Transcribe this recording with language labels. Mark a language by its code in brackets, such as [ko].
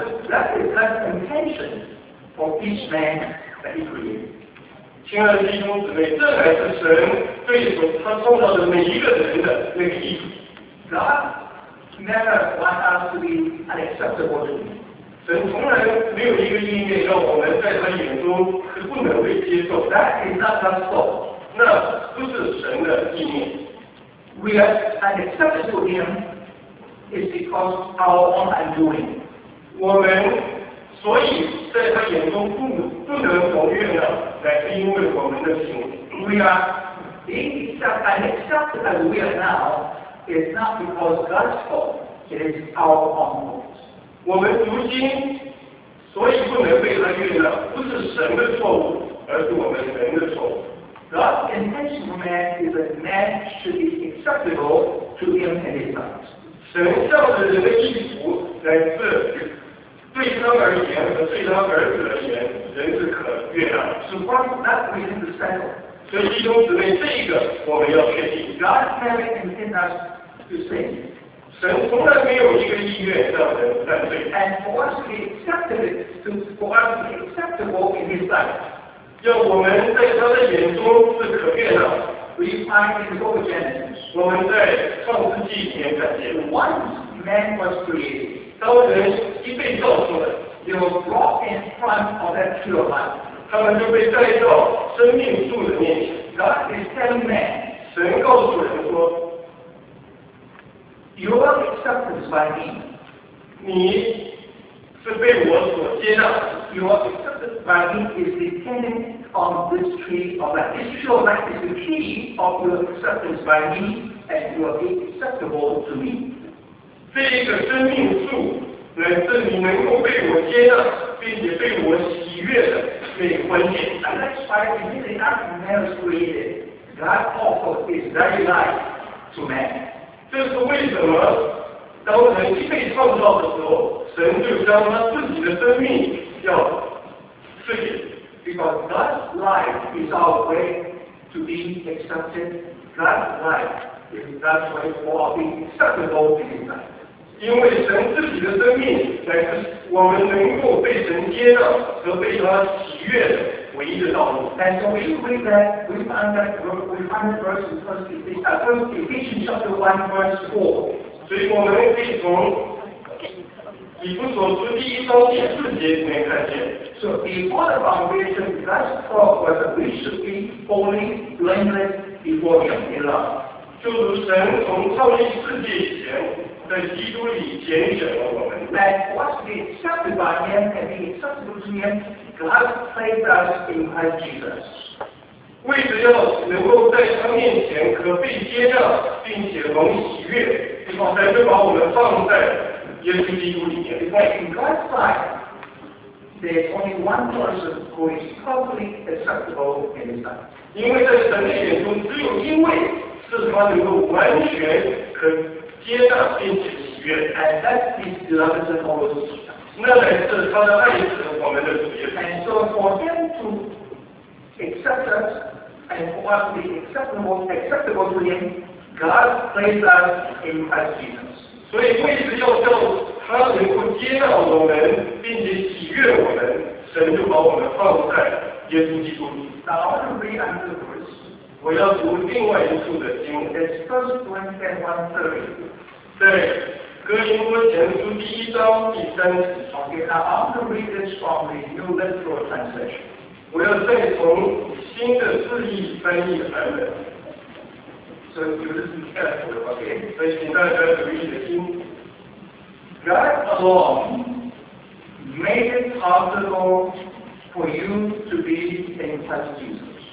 [en] That is God's intention for each man that He created. [zh] 亲爱的弟兄姊妹，这才是神对他创造的每一个人的那个意思。 [en] God never wants us to be unacceptable to me. [zh] 神从来没有一个意念让我们在他眼中是不能被接受的。 [en] That is not God's thought. [zh] 那不是神的意念。 [en] We are unacceptable to Him is because of our own undoing. [zh] 我们所以在他眼中不能蒙悦纳，乃是因为我们的行为。 [en] We are being accepted, unaccepted as we are now is not because God's thought. It is our own will. [zh] 我们如今所以不能被他悦纳，不是神的错误，而是我们人的错误。 [en] God's intention for man is that man should be acceptable to Him and His sons. [zh] 神向着人的意图乃是对他而言和对他儿子而言，人是可悦纳。 [en] So what that reason to settle? [zh] 所以弟兄姊妹，这个我们要确定。 [en] God never intended us to sin. [zh] 神从来没有一个意愿让人犯罪。 [en] And for us to be acceptable, in His sight, [zh] 要我们在他的眼中是可悦纳。 [en] We find in the book of Genesis, [zh] 我们在创世纪里面看见。 [en] Once man was created, [zh] 当人一被造出来 [en] they were brought in front of that tree of life. [zh] 他们就被带到生命树的面前。 [en] God is telling man, [zh] 神告诉人说 [en] ，You are accepted by me. [zh] 你是被我所接纳。 [en] You are accepted by me is dependent on this tree of life. This tree of life is the key of your acceptance by me, and you are acceptable to me. [zh] 这一个生命树乃是你能够被我接纳，并且被我喜悦的。 [en] And that's why when the earth and man is created, God offered His very life to man. [zh] 这是为什么当人一被创造的时候，神就将他自己的生命要赐给。 [en] Because God's life is our way to be accepted. God's life is that's why for being acceptable to Him. [zh] 因为神自己的生命乃是我们能够被神接纳和被他喜悦的唯一的道路。 [en] And so we read that, we find that, we find that verse in First Ephesians chapter 1 verse 4. [zh] 所以我们可以从以弗所书第一章第四节里面看见。 [en] So before the foundation, God's thought was that we should be holy, blameless before Him in love. [zh] 就是神从创立世界以前。在基督里拣选了我们。 [en] That was being accepted by Him and being accepted to Him, God saved us in Christ Jesus. [zh] 为着要能够在他面前可被接纳，并且蒙喜悦，才会把我们放在耶稣基督里面。 [en] Because in God's sight, there is only one person who is totally acceptable in His sight. [zh] 因为在神的眼中，只有一位是他能够完全可。接纳并且喜悦 [en] ，and that is the love of our Lord Jesus. [zh] 那乃是他的爱子，我们的主耶稣。 [en] And so for Him to accept us and for us to be acceptable to Him, God placed us in Christ Jesus. [zh] 所以为了要叫他能够接纳我们并且喜悦我们，神就把我们放在耶稣基督里。 [en] Now I want to read another verse. [zh] 我要读另外一处的经文。 [en] It's First Corinthians 1:30. [zh] 在哥林多前书第一章第三节。 [en] Okay, now I want to read this from the New Literal Translation. [zh] 我要再从新的字义翻译版本。 [en] So you listen carefully, okay? [zh] 所以请大家注意的听。 [en] God alone made it possible for you to be in Christ Jesus.